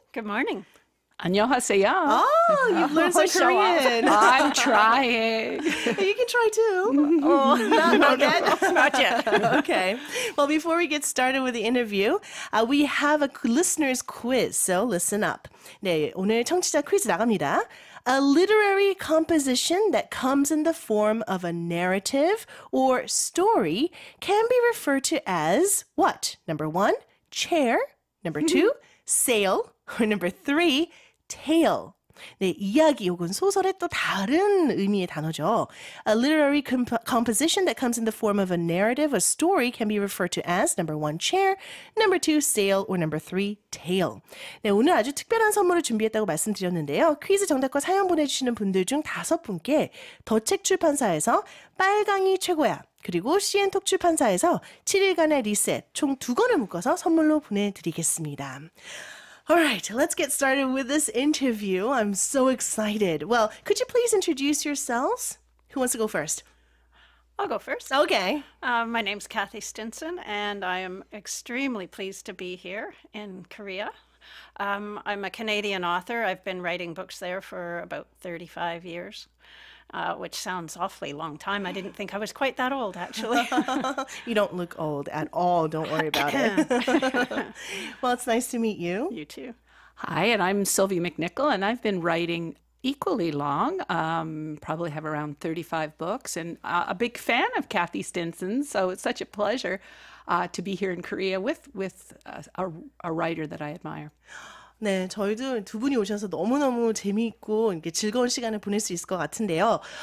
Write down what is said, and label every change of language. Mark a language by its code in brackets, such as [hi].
[en] Good morning. [ko] 안녕하세요. [en] Oh, you've learned some Korean. I'm trying. You can try too. Not yet. Not yet. Okay. Well, before we get started with the interview, we have a listener's quiz. So listen up. [ko] 네, 오늘 청취자 퀴즈 나갑니다. [en] A literary composition that comes in the form of a narrative or story can be referred to as what? Number one, chair. Number two, sail. Or number three, tale. [ko] 네, 이야기 혹은 소설의 또 다른 의미의 단어죠. [en] A literary composition that comes in the form of a narrative, a story, can be referred to as number one, chair, number two, sail, or number three, tale. [ko] 네, 오늘 아주 특별한 선물을 준비했다고 말씀드렸는데요. 퀴즈 정답과 사연 보내주시는 분들 중 다섯 분께 더책 출판사에서 빨강이 최고야, 그리고 CN톡 출판사에서 7일간의 리셋 총 두 권을 묶어서 선물로 보내드리겠습니다. [en] All right, let's get started with this interview. I'm so excited. Well, could you please introduce yourselves? Who wants to go first? I'll go first. Okay. My name's Kathy Stinson, and I am extremely pleased to be here in Korea. I'm a Canadian author. I've been writing books there for about 35 years. Which sounds awfully long time. I didn't think I was quite that old, actually. You don't look old at all. Don't worry about it. Well, it's nice to meet you. You too. Hi, and I'm Sylvia McNicoll, and I've been writing equally long, probably have around 35 books, and a big fan of Kathy Stinson, so it's such a pleasure to be here in Korea with a writer that I admire. [ko] 네, 저희도 두 분이 오셔서 너무너무 재미있고 이렇게 즐거운 시간을 보낼 수 있을 것 같은데요.